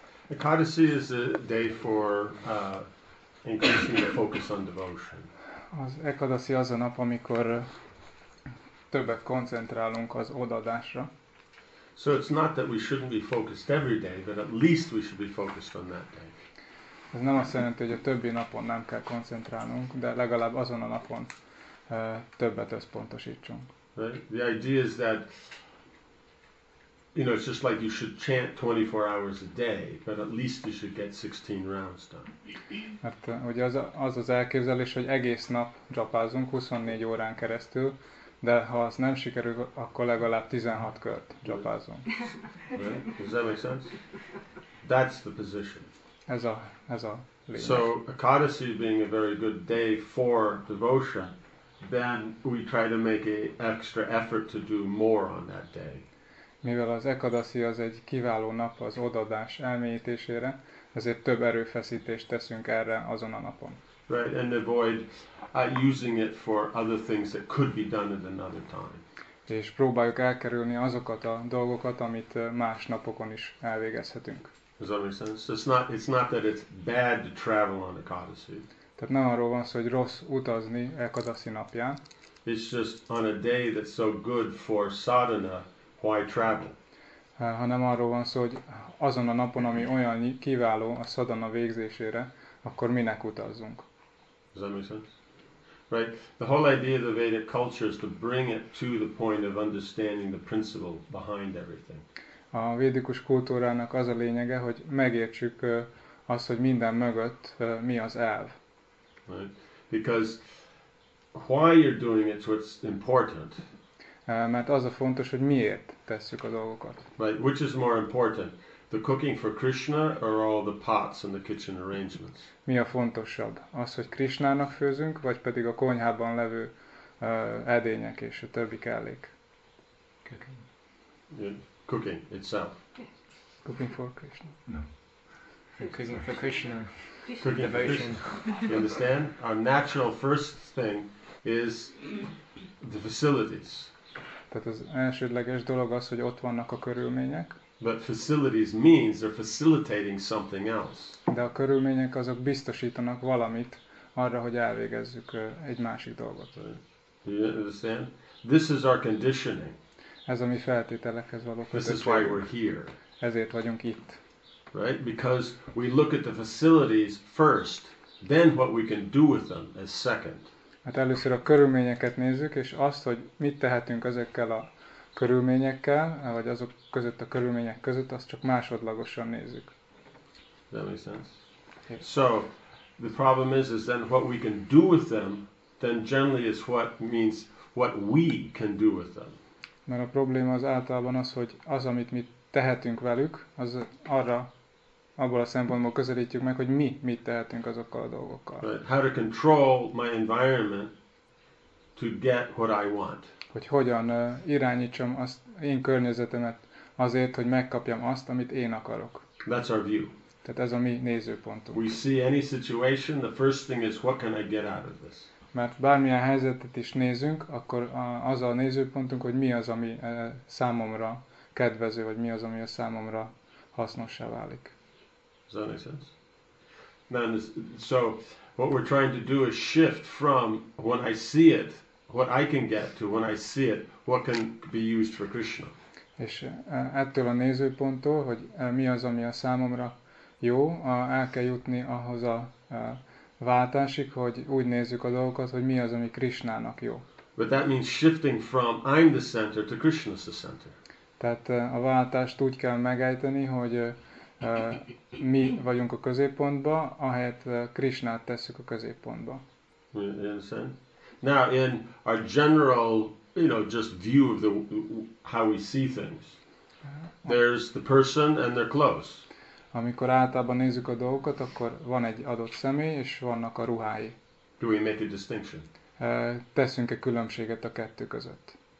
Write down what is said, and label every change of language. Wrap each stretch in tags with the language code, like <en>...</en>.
<en>Ekadashi is a day for increasing the focus on devotion.</en> <hu>Az Ekadashi az a nap, amikor többet koncentrálunk az odaadásra.</hu> <en>So it's not that we shouldn't be focused every day, but at least we should be focused on that day.</en> <hu>Ez nem azt jelenti, hogy a többi napon nem kell koncentrálnunk, de legalább azon a napon többet összpontosítsunk.</hu> <en>Right? The idea is that, you know, it's just like you should chant 24 hours a day, but at least you should get 16 rounds done.</en> <hu>Hát ugye az elképzelés, hogy egész nap japázunk 24 órán keresztül, de ha az nem sikerül, akkor legalább 16 kört japázunk.</hu> <en>Right. Does that make sense? That's the position.</en> <hu>Ez a lényeg.</hu> <en>So, Ekadashi being a very good day for devotion, then we try to make an extra effort to do more on that day.</en> <hu>Mivel az Ekadashi az egy kiváló nap az odaadás elmélyítésére, ezért több erőfeszítést teszünk erre azon a napon.</hu> <en>Right, and avoid using it for other things that could be done at another time.</en> <hu>És próbáljuk elkerülni azokat a dolgokat, amit más napokon is elvégezhetünk.</hu> <en>Does that make sense? So it's not that it's bad to travel on Ekadashi.</en> <hu>Tehát nem arról van szó, hogy rossz utazni Ekadashi napján.</hu> <en>It's just on a day that's so good for sadhana, why travel?</en> <hu>Hanem arról van szó, hogy azon a napon, ami olyan kiváló a sadhana végzésére, akkor minek utazzunk?</hu> <en>Does that make sense? Right. The whole idea of the Vedic culture is to bring it to the point of understanding the principle behind everything.</en> <hu>A védikus kultúrának az a lényege, hogy megértsük azt, hogy minden mögött mi az elv.</hu> <en>Right. Because why you're doing it, what's important.</en> <hu>Mert az a fontos, hogy miért tesszük a dolgokat.</hu> <en>Right. Which is more important? The cooking for Krishna or all the pots and the kitchen arrangements?</en> <hu>Mi a fontosabb? Az, hogy Krishnának főzünk, vagy pedig a konyhában levő edények és a többi kellék?</hu> <en>Cooking. Yeah. Cooking itself. Yes. Cooking for Krishna. No. Cooking for Krishna. Cooking for Krishna. You understand? Our natural first thing is the facilities.</en> <hu>Tehát az elsődleges dolog az, hogy ott vannak a körülmények.</hu> <en>But facilities means they're facilitating something else.</en> <hu>De a körülmények azok biztosítanak valamit arra, hogy elvégezzük egy másik dolgot.</hu> <en>Right. You understand? This is our conditioning.</en> <hu>Ez a mi feltételekhez való kötöttségünk.</hu> <en>This is why we're here.</en> <hu>Ezért vagyunk itt.</hu> <en>Right? Because we look at the facilities first, then what we can do with them as second.</en> <hu>Hát először a körülményeket nézzük, és azt, hogy mit tehetünk ezekkel a körülményekkel, vagy azok között a körülmények között, azt csak másodlagosan nézzük.</hu> <en>That makes sense. Yes. So, the problem is then what we can do with them, then generally is what means what we can do with them.</en> <hu>Mert a probléma az általában az, hogy az, amit mi tehetünk velük, az arra, abból a szempontból közelítjük meg, hogy mi mit tehetünk azokkal a dolgokkal.</hu> <en>But how to control my environment to get what I want.</en> <hu>Hogy hogyan irányítsam azt én környezetemet azért, hogy megkapjam azt, amit én akarok.</hu> <en>That's our view.</en> <hu>Tehát ez a mi nézőpontunk.</hu> <en>We see any situation, the first thing is what can I get out of this.</en> <hu>Mert bármilyen helyzetet is nézünk, akkor az a nézőpontunk, hogy mi az, ami számomra kedvező, vagy mi az, ami a számomra hasznossá válik.</hu> <en>Does that make sense? Then, so what we're trying to do is shift from when I see it, what I can get to when I see it, what can be used for Krishna.</en> <hu>És ettől a nézőponttól, hogy mi az, ami a számomra jó, el kell jutni ahhoz a váltásig, hogy úgy nézzük a dolgokat, hogy mi az, ami Krishnának jó.</hu> <en>But that means shifting from I'm the center to Krishna's the center.</en> <hu>Tehát a váltást úgy kell megejteni, hogy mi vagyunk a középpontba, ahelyett Krishnát tesszük a középpontba.</hu> <en>You understand? Now in our general, you know, just view of the how we see things. There's the person and they're close.</en> <hu>Amikor általában nézzük a dolgokat, akkor van egy adott személy és vannak a ruhái.</hu> <en>Do we make a distinction?</en> <hu>Teszünk-e különbséget a kettő között?</hu>